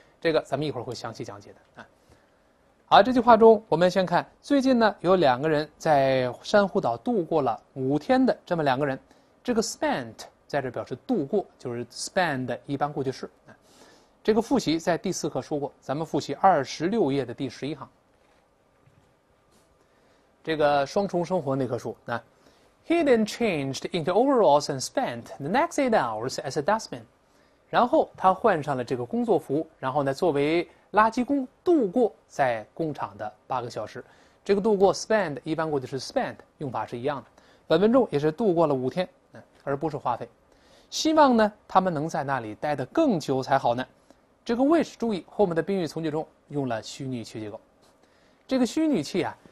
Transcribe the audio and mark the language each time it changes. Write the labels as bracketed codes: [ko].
[zh] 这个咱们一会儿会详细讲解的啊。好，这句话中我们先看，最近呢有两个人在珊瑚岛度过了5天的这么两个人，这个 spent 在这表示度过，就是 spend 的一般过去式。这个复习在第四课说过，咱们复习26页的第11行。这个双重生活那棵树，那 [en] he then changed into overalls and spent the next 8 hours as a dustman。 [zh] 然后他换上了这个工作服，然后呢，作为垃圾工度过在工厂的8个小时。这个度过 spend 一般过去式 spent 用法是一样的，本文中也是度过了5天，而不是花费。希望呢，他们能在那里待得更久才好呢。这个 wish 注意后面的宾语从句中用了虚拟语气结构，这个虚拟语气啊。